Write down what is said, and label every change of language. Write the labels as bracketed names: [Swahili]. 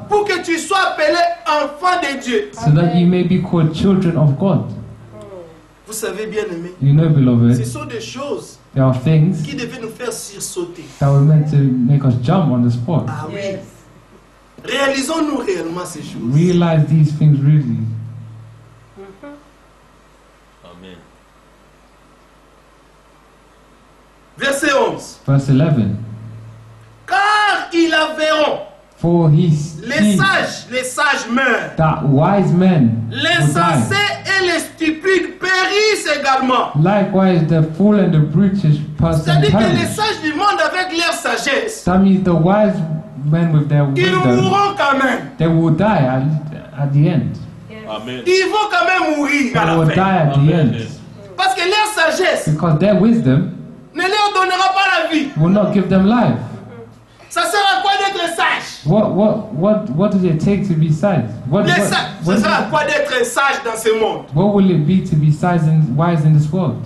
[French] Pour que tu sois appelé enfant de Dieu. [English] So that you may be called children of God. [French] Vous savez bien aimé. [English] You know, beloved. [French] Ce sont des choses. [English] There are things. [French] Qui devaient nous faire sursauter. [English] That were meant to make us jump on the spot. [French] Ah oui. Yes. Réalisons-nous réellement ces choses. [English] Realize these things really. Amen. [French] Verset 11. [English] Verse 11. [French] Car ils la verront. [English] For his [French] les sages meurent. [English] That wise men. [French] Les sensés et les stupides périssent également. [English] Likewise, the fool and the brutish person. [French] C'est-à-dire que les sages du monde avec leur sagesse. [English] That means the wise men with their wisdom. [French] Ils mourront quand même. [English] They will die at the end. Yes. Amen. [French] Ils vont quand même mourir [English] they [French] à la [English] will [French] fin. [English] Die at Amen. The end. Yes. [French] Parce que leur sagesse. [English] Because their wisdom. [French] Ne leur donnera pas la vie. [English] Will not give them life. [French] Ça sert à quoi d'être sage? [English] What does it take to be sage? [French] Ça sert à quoi d'être sage dans ce monde? [English] What will it be to be sage and wise in this world?